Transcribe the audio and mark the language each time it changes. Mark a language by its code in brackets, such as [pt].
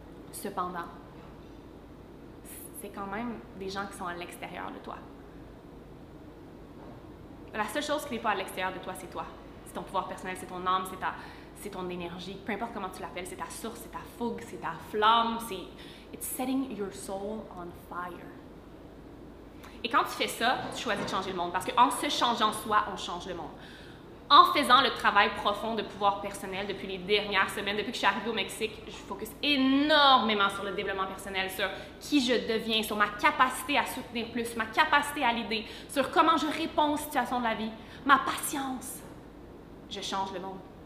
[fr] Cependant, c'est quand même des gens qui sont à l'extérieur de toi. La seule chose qui n'est pas à l'extérieur de toi, c'est toi. C'est ton pouvoir personnel, c'est ton âme, c'est ton énergie, peu importe comment tu l'appelles, c'est ta source, c'est ta fougue, c'est ta flamme, c'est... [en] It's setting your soul on fire. [fr] Et quand tu fais ça, tu choisis de changer le monde, parce qu'en se changeant soi, on change le monde. En faisant le travail profond de pouvoir personnel depuis les dernières semaines, depuis que je suis arrivée au Mexique, je focus énormément sur le développement personnel, sur qui je deviens, sur ma capacité à soutenir plus, ma capacité à l'aider, sur comment je réponds aux situations de la vie, ma patience. Je change le monde.